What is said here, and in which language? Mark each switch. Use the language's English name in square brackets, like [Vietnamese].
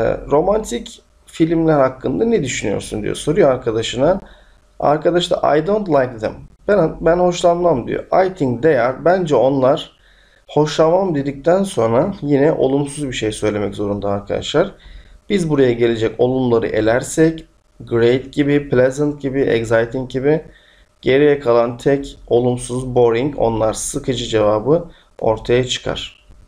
[Turkish] Romantik filmler hakkında ne düşünüyorsun diyor. Soruyor arkadaşına. Arkadaş da [English] I don't like them. [Turkish] Ben hoşlanmam diyor. [English] I think they are. [Turkish] Bence onlar. Hoşlanmam dedikten sonra yine olumsuz bir şey söylemek zorunda arkadaşlar. Biz buraya gelecek olumları elersek, great gibi, pleasant gibi, exciting gibi. Geriye kalan tek olumsuz, boring, onlar sıkıcı cevabı ortaya çıkar.